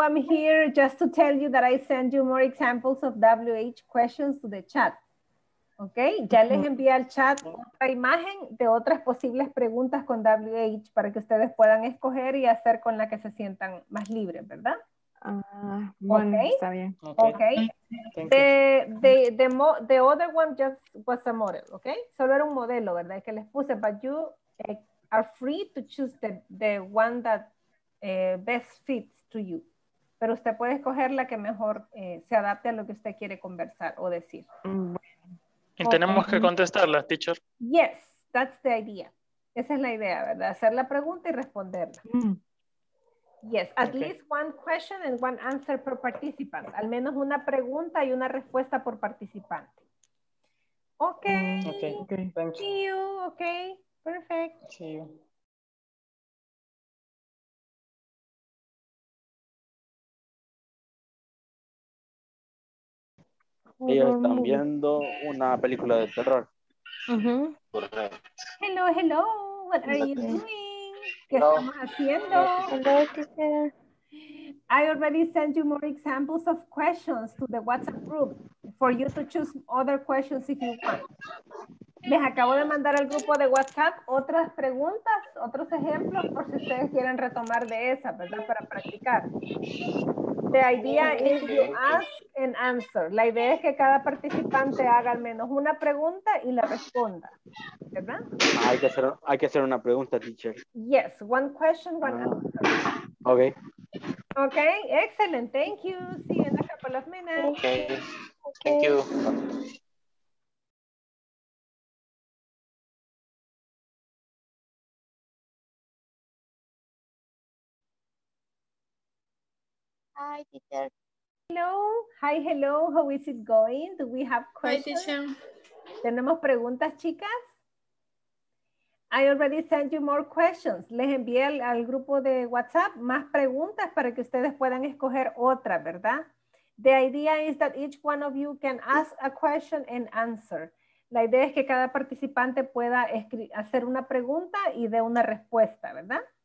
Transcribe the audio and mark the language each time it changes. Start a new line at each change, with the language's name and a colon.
English: I'm here just to tell you that I send you more examples of WH questions to the chat.
Spanish: Okay, ya les envié al chat otra imagen de otras posibles preguntas con WH para que ustedes puedan escoger y hacer con la que se sientan más libres, ¿verdad? Bueno, okay. Está bien. Okay.
English: The other one just was a model, okay?
Spanish: Solo era un modelo, ¿verdad? Que les puse,
English: but you are free to choose the one that best fits to you.
Spanish: Pero usted puede escoger la que mejor se adapte a lo que usted quiere conversar o decir. Y tenemos que contestarla, teacher.
English: Yes, that's the idea.
Spanish: Esa es la idea, ¿verdad? Hacer la pregunta y responderla.
English: Yes, at least one question and one answer per participant.
Spanish: Al menos una pregunta y una respuesta por participante. Okay. Okay,
English: thank you. See you, okay. Perfect. See you.
Spanish: Ellos están viendo una película de terror.
English: Uh-huh. Hello, hello. What are you doing?
Spanish: ¿Qué estamos haciendo?
English: I already sent you more examples of questions to the WhatsApp group for you to choose other questions if you want.
Spanish: Les acabo de mandar al grupo de WhatsApp otras preguntas, otros ejemplos, por si ustedes quieren retomar de esas, ¿verdad? Para practicar.
English: The idea is you ask and answer.
Spanish: La idea es que cada participante haga al menos una pregunta y la responda. ¿Verdad? Hay que hacer una pregunta, teacher.
English: Yes, one question, one answer. Okay. Okay, excellent. Thank you. See you in a couple of minutes. Okay. Thank you. Hi, teacher. Hello. Hi, hello. How is it going? Do we have questions? Hi, teacher.
Spanish: ¿Tenemos preguntas, chicas?
English: I already sent you more questions.
Spanish: Les envié al grupo de WhatsApp más preguntas para que ustedes puedan escoger otra, ¿verdad?
English: The idea is that each one of you can ask a question and answer.
Spanish: La idea es que cada participante pueda hacer una pregunta y dé una respuesta, ¿verdad?